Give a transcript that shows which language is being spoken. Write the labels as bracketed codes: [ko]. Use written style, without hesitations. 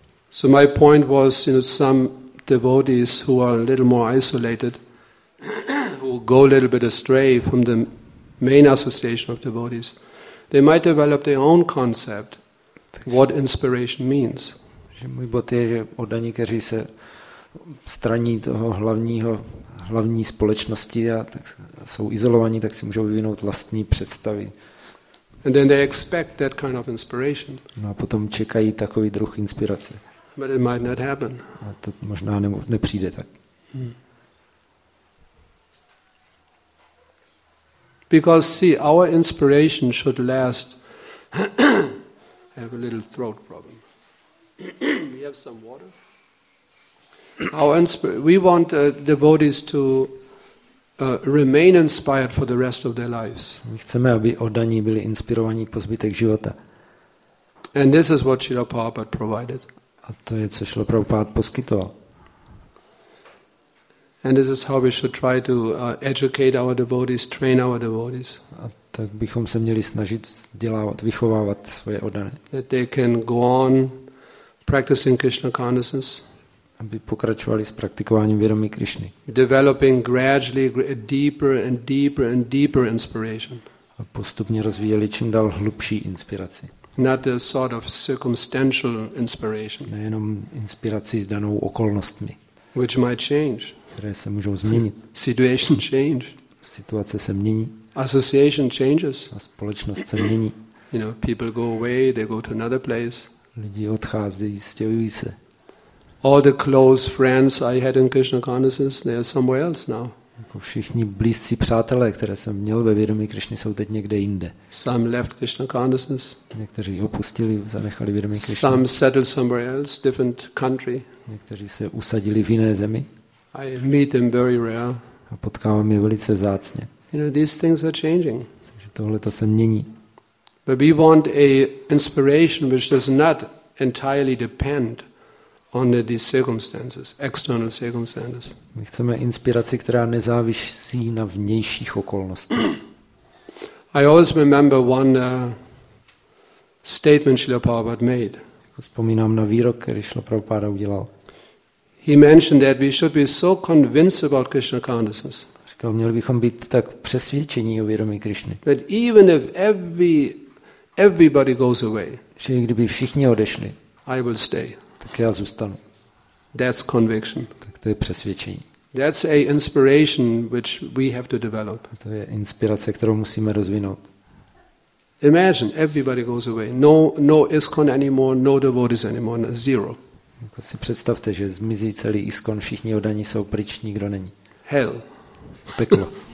[en] So my point was, you know, some devotees who are a little more isolated, who go a little bit astray from the main association of devotees, they might develop their own concept what inspiration means. [cs] Že můj bod je, že oddaní, kteří se straní toho hlavní společnosti a tak jsou izolovaní, tak si můžou vyvinout vlastní představy. [en] And then they expect that kind of inspiration. [cs] No a potom čekají takový druh inspirace. [en] But it might not happen. [cs] A to možná nepřijde tak. [en] Because see, our inspiration should last. I have a little throat problem. We have some water. We want devotees to remain inspired for the rest of their lives. [cs] My chceme, aby oddaní byli inspirovaní po zbytek života. [en] And this is what Srila Prabhupada provided. [cs] A to je, co Srila Prabhupada poskytoval. [en] And this is how we should try to educate our devotees, train our devotees. [cs] A tak bychom se měli snažit vzdělávat, vychovávat svoje oddané. [en] That they can go on practicing Krishna consciousness. [cs] Aby pokračovali s praktikováním vědomí Krišny. [en] Developing gradually a deeper and deeper and deeper inspiration. [cs] A postupně rozvíjeli čím dál hlubší inspiraci. [en] Not a sort of circumstantial inspiration. [cs] Nejenom inspiraci s danou okolnostmi. [en] Which might change. [cs] Které se můžou změnit. [en] Situation change. [cs] Situace se mění. [en] Association changes. [cs] A společnost se mění. [en] You know, people go away, they go to another place. [cs] Lidi odcházejí, stěhují se. [en] All the close friends I had in Krishna consciousness, they are somewhere else now. [cs] Jako všichni blízcí přátelé, které jsem měl ve vědomí Krišny, jsou teď někde jinde. [en] Some left Krishna consciousness. [cs] Někteří opustili, zanechali vědomí Krišny. [en] Some settled somewhere else, different country. [cs] Někteří se usadili v jiné zemi. [en] I meet them very rare. [cs] A potkávám je velice vzácně. [en] You know, these things are changing. [cs] Takže tohle to se mění. [en] But we want a inspiration which does not entirely depend on the circumstances, external circumstances. [cs] My chceme inspiraci, která nezávisí na vnějších okolnostech. [en] I always remember one statement Srila Prabhupada made. [cs] Vzpomínám na výrok, který Srila Prabhupada udělal. [en] He mentioned that we should be so convinced about Krishna consciousness. [cs] Říkal, měli bychom být tak přesvědčení o vědomí Krišny. [en] That even if everybody goes away, [cs] že kdyby všichni odešli, [en] I will stay. [cs] Tak já zůstanu. [en] That's conviction. [cs] Tak to je přesvědčení. [en] That's a inspiration which we have to develop. [cs] A to je inspirace, kterou musíme rozvinout. [en] Imagine everybody goes away. No ISKCON anymore, no devotees anymore, zero. [cs] Jako si představte, že zmizí celý ISKCON, všichni oddaní jsou pryč, nikdo není. [en] Hell. [cs] Peklo.